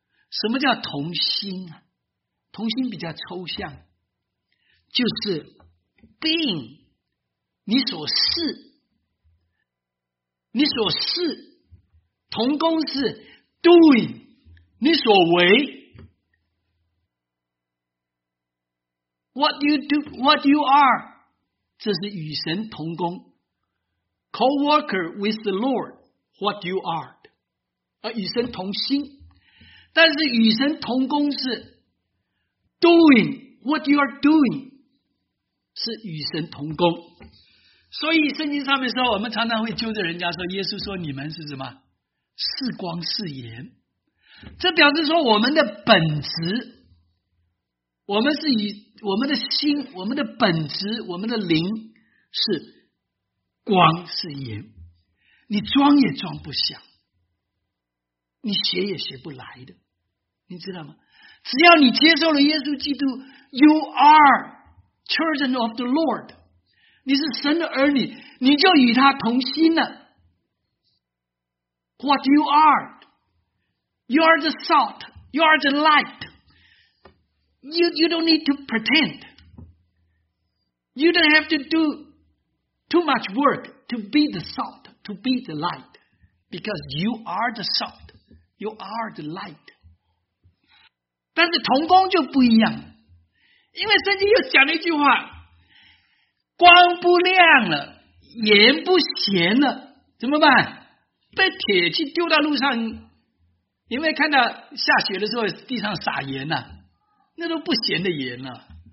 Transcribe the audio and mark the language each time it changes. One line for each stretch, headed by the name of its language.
Chinese: 什么叫同心啊？同心比较抽象，就是being你所是，你所是，同工是 doing 你所为。
English: What you do, what you are，
Chinese: 这是与神同工
English: co-worker with the Lord， what you are，
Chinese: 而与神同心。但是与神同工是
English: doing what you are doing，
Chinese: 是与神同工。所以圣经上面说，我们常常会揪着人家说，耶稣说你们是什么？是光是盐。这表示说我们的本质，我们是以我们的心，我们的本质，我们的灵是光是盐。你装也装不下，你学也学不来的，你知道吗？只要你接受了耶稣基督，
English: You are children of the Lord，
Chinese: 你是神的儿女，你就与他同心了。
English: What you are， You are the salt， You are the light， You don't need to pretend， You don't have to do too much work to be the salt， to be the light， because you are the salt， You are the light。
Chinese: 但是同工就不一样，因为圣经又讲了一句话，光不亮了，盐不咸了，怎么办？被铁器丢到路上，因为看到下雪的时候地上撒盐啊，那都不咸的盐了。